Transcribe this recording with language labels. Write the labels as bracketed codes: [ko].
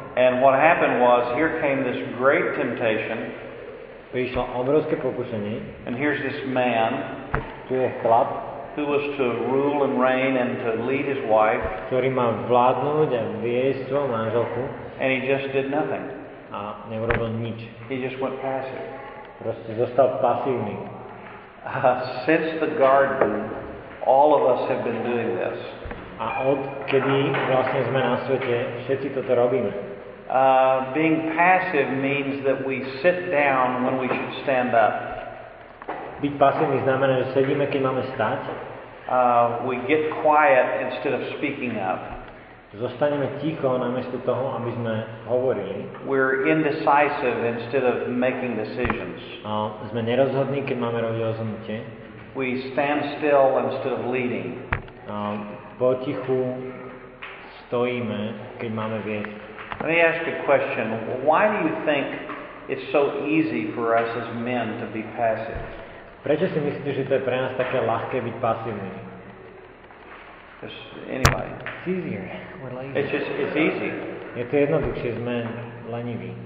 [en] And what happened was, here came this great temptation. [sk] Prišlo obrovské pokušenie. [en] And here's this man. [sk] Tu je chlap. [en] Who was to rule and reign and to lead his wife. [sk] Ktorý mal vládnuť a viesť svoju manželku. [en] And he just did nothing. [sk] A neurobil nič. [en] He just went passive. [sk] Proste zostal pasívny. [en] Since the garden, all of us have been doing this. [sk] A odkedy vlastne sme na svete, všetci toto robíme. [en] Being passive means that we sit down when we should stand up. [sk] Byť pasívny znamená, že sedíme, keď máme stať. [en] We get quiet instead of speaking up. [sk] Zostaneme ticho namiesto toho, aby sme hovorili. [en] We're indecisive instead of making decisions. [sk] Sme nerozhodní, keď máme robiť rozhodnutie. [en] We stand still instead of leading. [sk] Potichu stojíme, keď máme viesť. [en] Let me ask a question. Why do you think it's so easy for us as men to be passive? [sk] Prečo si myslíte, že to je pre nás také ľahké byť pasívny? [en] Just anybody. It's easier. We're lazy. It's easy. [sk] Je to jednoduchšie, sme leniví.